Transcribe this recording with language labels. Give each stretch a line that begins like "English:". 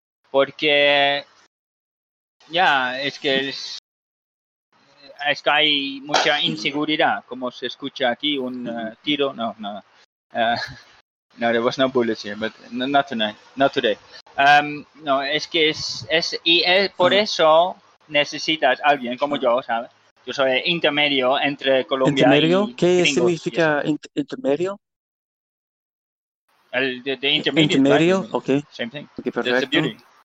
Spanish: Porque es que hay mucha inseguridad, como se escucha aquí, un tiro.
English: No, there was no bullets here, but not today.
Spanish: No, es que es por eso necesitas alguien como yo, ¿sabes? Yo soy intermedio entre Colombia intermedio? Y gringos. ¿Qué significa intermedio? El de intermediate. Intermedio,
English: right? Okay. Same thing.
Spanish: Okay, perfecto.